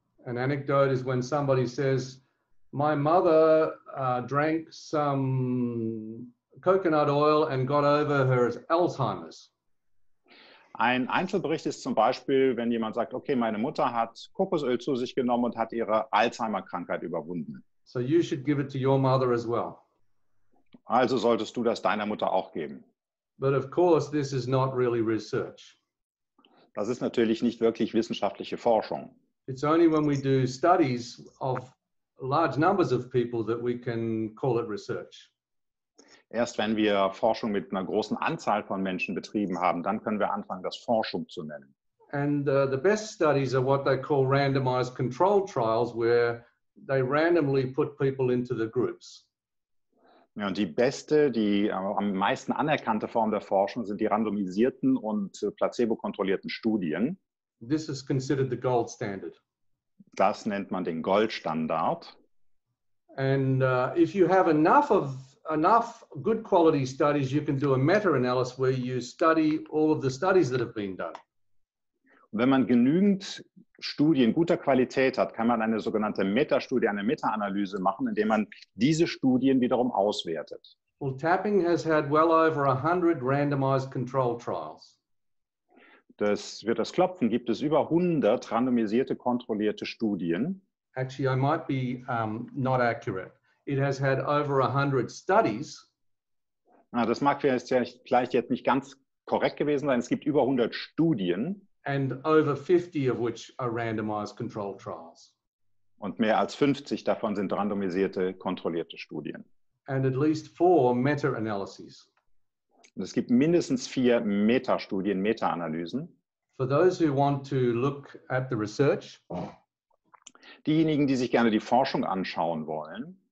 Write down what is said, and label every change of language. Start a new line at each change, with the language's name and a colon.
English: An anecdote is when somebody says, my mother drank some coconut oil and got over her Alzheimer's.
German: Ein Einzelbericht ist zum Beispiel, wenn jemand sagt, okay, meine Mutter hat Kokosöl zu sich genommen und hat ihre Alzheimer-Krankheit überwunden.
English: So you should give it to your mother as well.
German: Also solltest du das deiner Mutter auch geben.
English: But of course this is not really research.
German: Das ist natürlich nicht wirklich wissenschaftliche Forschung.
English: It's only when we do studies of large numbers of people that we can call it research.
German: Erst wenn wir Forschung mit einer großen Anzahl von Menschen betrieben haben, dann können wir anfangen, das Forschung zu nennen.
English: And the best studies are what they call randomized control trials, where they randomly put people into the groups.
German: Ja, und die beste, die am meisten anerkannte Form der Forschung sind die randomisierten und placebo-kontrollierten Studien.
English: This is considered the gold standard.
German: Das nennt man den Goldstandard.
English: And if you have enough good quality studies, you can do a meta-analysis where you study all of the studies that have been done.
German: Wenn man genügend Studien guter Qualität hat, kann man eine sogenannte Metastudie, eine Meta-Analyse machen, indem man diese Studien wiederum auswertet.
English: Well, Tapping has had well over 100 randomized control trials.
German: Das Klopfen gibt es über 100 randomisierte, kontrollierte Studien.
English: Actually, I might be not accurate. It has had over 100 studies.
German: Na, das mag vielleicht jetzt nicht ganz korrekt gewesen sein. Es gibt über 100 Studien.
English: And over 50 of which are randomized controlled trials.
German: Und mehr als 50 davon sind randomisierte, kontrollierte Studien.
English: And at least 4 meta-analyses.
German: Und es gibt mindestens 4 Metastudien, Meta-Analysen.
English: For those who want to look at the research,
German: diejenigen, die sich gerne die Forschung anschauen wollen,